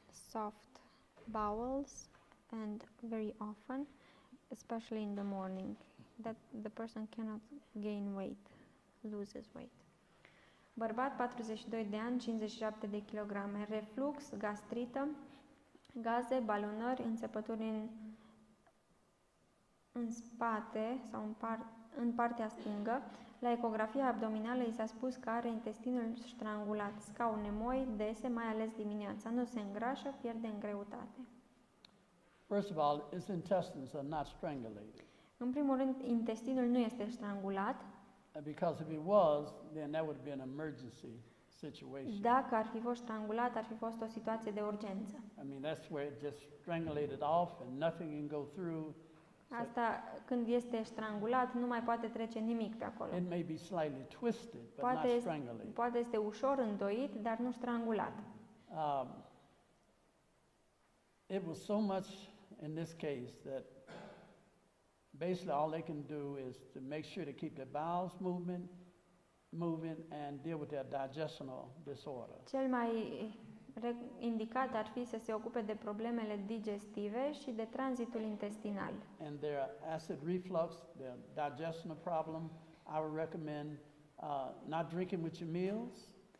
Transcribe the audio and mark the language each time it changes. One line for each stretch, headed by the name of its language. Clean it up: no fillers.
English: Soft bowels, and very often, especially in the morning, that the person cannot gain weight, loses weight.
Romanian: Bărbat, 42 de ani, 57 de kilograme, reflux, gastrită, gaze, balonări, înțepături în spate sau în partea stângă. La ecografia abdominală i s-a spus că are intestinul strangulat, scaune moi, dese, mai ales dimineața. Nu se îngrașă, pierde în greutate.
English: First of all, his intestines are not strangulated.
Romanian: În primul rând, intestinul nu este strangulat.
English: Because if it was, then that would be an emergency situation.
Romanian: Dacă ar fi fost strangulat, ar fi fost o situație de urgență.
English: I mean, that's where it just strangulated off and nothing can go through.
Romanian: Asta când este strangulat, nu mai poate trece nimic pe acolo.
English: It may be slightly twisted, but not strangulated.
Romanian: Poate este ușor îndoit, dar nu strangulat.
English: It was so much in this case that basically all they can do is to make sure to keep their bowels moving and deal with their digestional disorder.
Romanian: Cel mai indicat ar fi să se ocupe de problemele digestive și de tranzitul intestinal.
English: And their acid reflux, their digestion problem, I would recommend not drinking with your meals.